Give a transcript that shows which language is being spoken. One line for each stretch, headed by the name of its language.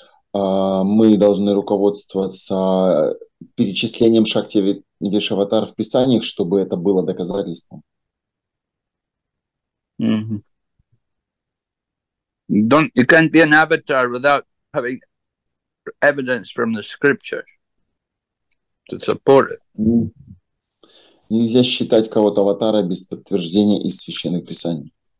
Russian: Мы должны руководствоваться перечислением Шакти Веш Аватар в Писаниях, чтобы это было доказательством.
English: You can't be an avatar without having evidence from the scriptures to support it.
Russian: Нельзя считать кого-то аватара без подтверждения из Священных Писаний.